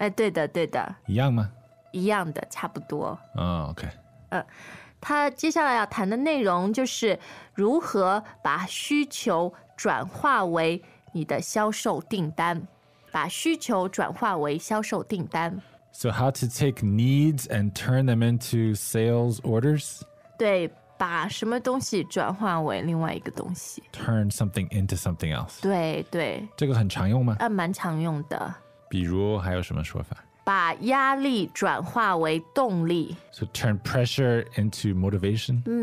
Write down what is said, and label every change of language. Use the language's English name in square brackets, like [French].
[Chinese] 对的对的。一样吗？一样的，差不多。 OK。他接下来要谈的内容就是如何把需求转化为你的销售订单，把需求转化为销售订单。 [English] So how to take needs and turn them into sales orders? [Chinese] 对，把什么东西转化为另外一个东西。 [English] Turn something into something else. [Chinese] 对对。这个很常用吗？蛮常用的。比如还有什么说法？把压力转化为动力。 [English] So turn pressure into motivation?